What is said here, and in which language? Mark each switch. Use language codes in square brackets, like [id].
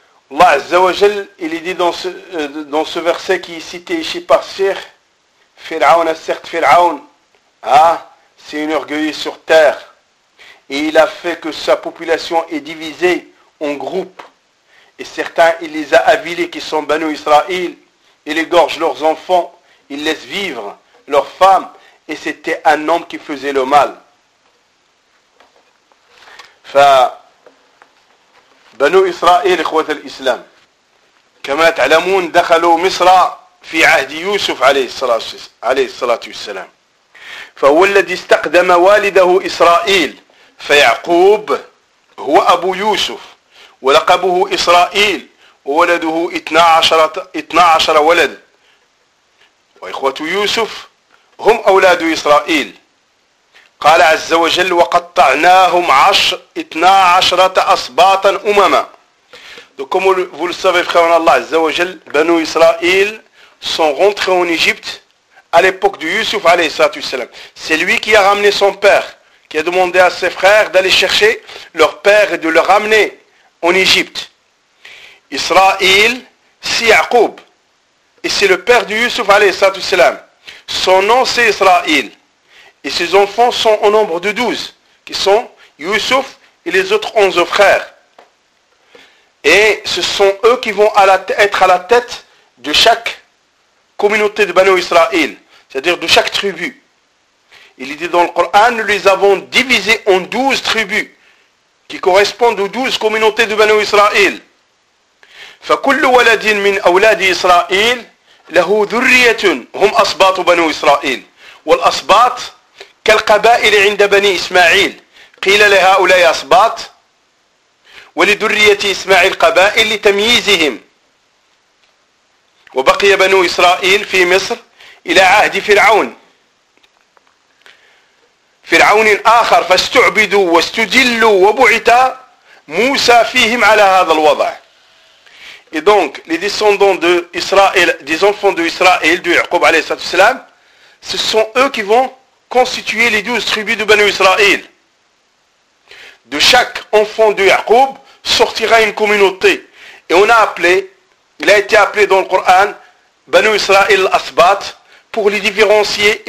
[fr] Allah Azza wa Jal, il est dit dans ce verset qui est cité ici par Sir, Pharaon a certes Pharaon, c'est une orgueilleuse sur terre, et il a fait que sa population est divisée en groupes, et certains il les a avilés qui sont Banu Israël, il égorge leurs enfants, il laisse vivre leurs femmes, et c'était un homme qui faisait le mal. [ar] بنو إسرائيل إخوة الإسلام كما تعلمون دخلوا مصر في عهد يوسف عليه الصلاة والسلام فهو الذي استقدم والده إسرائيل فيعقوب هو أبو يوسف ولقبه إسرائيل وولده 12 ولد وإخوة يوسف هم أولاد إسرائيل قال عز وجل وقطعناهم 12 أصباطا أمما. [fr] Donc comme vous le savez, frère Allah [ar] عز وجل, [fr] Banu Israël sont rentrés en Égypte à l'époque de Yusuf alayhi salatu wassalam. C'est lui qui a ramené son père, qui a demandé à ses frères d'aller chercher leur père et de le ramener en Égypte. Israël, c'est Yaqub. Et c'est le père de Yusuf alayhi salatu wassalam. Son nom c'est Israël. Et ses enfants sont au nombre de 12, qui sont Youssouf et les autres 11 frères. Et ce sont eux qui vont être à la tête de chaque communauté de Banu Israël, c'est-à-dire de chaque tribu. Il est dit dans le Coran, nous les avons divisés en 12 tribus, qui correspondent aux 12 communautés de Banu Israël. [ar] فَكُلُّ وَلَدٍ مِنْ أَوْلَادِ إِسْرَائِيلِ لَهُ ذُرِّيَّةٌ هُمْ أَصْبَاطُ بَنُو إِسْرَائِيلِ وَالْأَصْبَاطُ كالقبائل عند بني إسماعيل قيل لهؤلاء أصباط ولذرية إسماعيل قبائل لتمييزهم وبقي بنو إسرائيل في مصر إلى عهد فرعون آخر فاستعبدوا واستجلوا وبعث موسى فيهم على هذا الوضع. [fr] Et donc les descendants de Israël, des enfants de Israël, de Yaqub [ar] عليه الصلاة والسلام, [fr] ce sont eux qui vont constituer les 12 tribus de Banu Israël. De chaque enfant de Yaqub sortira une communauté. Et il a été appelé dans le Coran Banu Israël Asbat pour les différencier.